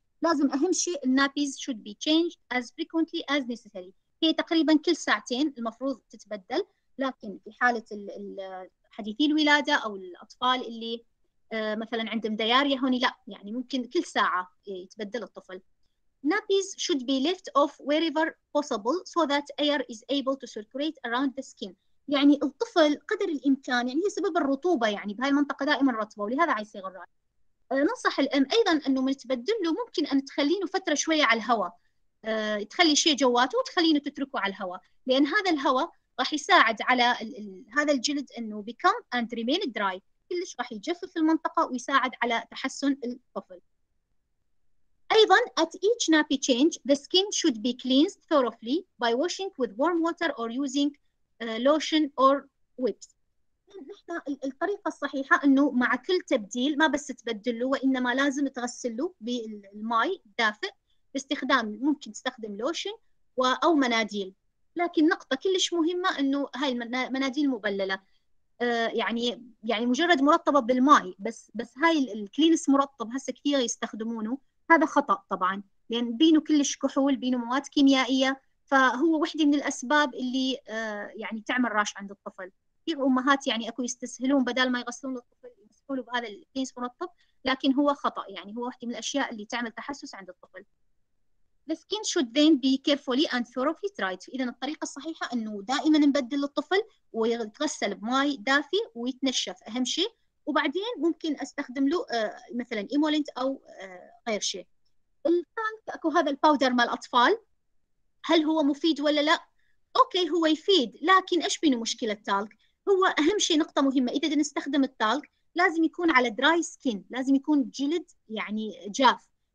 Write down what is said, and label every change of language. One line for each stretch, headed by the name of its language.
Arabic: لازم أهم شيء النابيز
English: should be changed as frequently as necessary،
Arabic: هي تقريبا كل ساعتين المفروض تتبدل، لكن في حالة ال حديثي الولادة أو الأطفال اللي مثلاً عندهم دياريا هوني لا، يعني ممكن كل ساعة يتبدل الطفل.
English: Nappies should be left off wherever possible so that air is able to circulate around the skin،
Arabic: يعني الطفل قدر الإمكان، يعني هي سبب الرطوبة يعني بهاي المنطقة دائماً رطبة ولهذا عايز يغرق. ننصح الأم أيضاً أنه من تبدل له ممكن أن تخلينه فترة شوية على الهواء، تخلي شيء جواته وتخلينه تتركه على الهواء، لأن هذا الهواء راح يساعد على هذا الجلد انه
English: become and remain dry،
Arabic: كلش راح يجفف المنطقه ويساعد على تحسن الطفل. ايضا
English: at each nappy change the skin should be cleansed thoroughly by washing with warm water or using lotion or whips.
Arabic: نحن الطريقه الصحيحه انه مع كل تبديل ما بس تبدل له وانما لازم تغسل له بالماء الدافئ باستخدام ممكن تستخدم لوشن او مناديل، لكن نقطة كلش مهمة إنه هاي المناديل مبللة، يعني مجرد مرطبة بالماء بس هاي الكلينس مرطب هسه كثير يستخدمونه، هذا خطأ طبعاً لأن بينه كلش كحول، بينه مواد كيميائية، فهو واحدة من الأسباب اللي يعني تعمل راش عند الطفل. كثير أمهات يعني أكو يستسهلون بدل ما يغسلون الطفل يمسحوله بهذا الكلينس مرطب، لكن هو خطأ، يعني هو واحدة من الأشياء اللي تعمل تحسس عند الطفل.
English: The skin should then be carefully and thoroughly dried.
Arabic: إذن الطريقة الصحيحة أنه دائماً نبدل الطفل ويتغسل بماء دافي ويتنشف أهم شيء، وبعدين ممكن أستخدم له مثلاً إيمولنت أو غير شيء. الثاني أكو هذا الباودر مال الأطفال، هل هو مفيد ولا لا؟ أوكي هو يفيد، لكن إيش بينه مشكلة التالك؟ هو أهم شيء نقطة مهمة، إذا نستخدم التالك لازم يكون على دراي سكين، لازم يكون جلد يعني جاف.